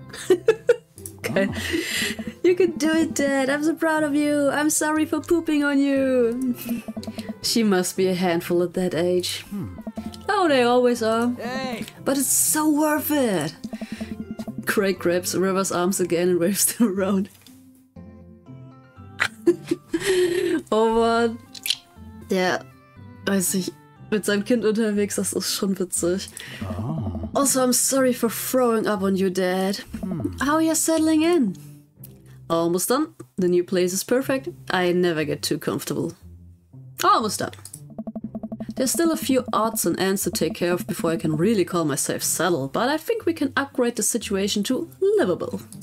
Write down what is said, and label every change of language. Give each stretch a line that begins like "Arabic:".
English: Okay. Oh. You can do it, Dad. I'm so proud of you. I'm sorry for pooping on you. She must be a handful at that age. Hmm. Oh, they always are. Hey. But it's so worth it. Craig grabs River's arms again and waves them around.
German: Over der, weiß ich, mit seinem Kind unterwegs, das ist schon witzig. Oh.
English: Also, I'm sorry for throwing up on you, Dad. Hmm. How are you settling in? Almost done. The new place is perfect. I never get too comfortable. Almost done. There's still a few odds and ends to take care of before I can really call myself settled, but I think we can upgrade the situation to livable.